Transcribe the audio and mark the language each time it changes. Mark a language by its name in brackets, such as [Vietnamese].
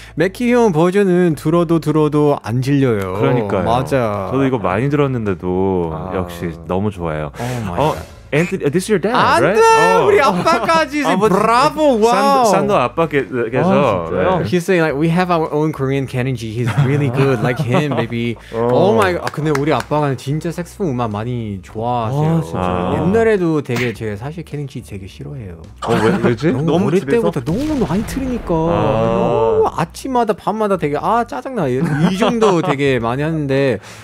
[Korean] 맥키 형 버전은 들어도 안 질려요. 그러니까요. 맞아. 저도 이거 많이 들었는데도 역시 너무 좋아요. [English] Oh my god. Anthony, this is your dad, [Korean] 안 [English] right? [Korean] 안돼, oh. 우리 아빠까지 지금 브라보, 와우. 산도 아빠께서. [English] He's saying like we have our own Korean Kenji. He's really good, like him, maybe. Oh. [Korean] oh my, 근데 우리 아빠가 진짜 색소폰 음악 많이 좋아하세요. 옛날에도 되게 제가 사실 Kenji 되게 싫어해요. 왜 그러지? 너무 어릴 때부터 너무 많이 틀으니까 너무 아침마다 밤마다 되게 아 짜증나 이 정도 되게 많이 하는데.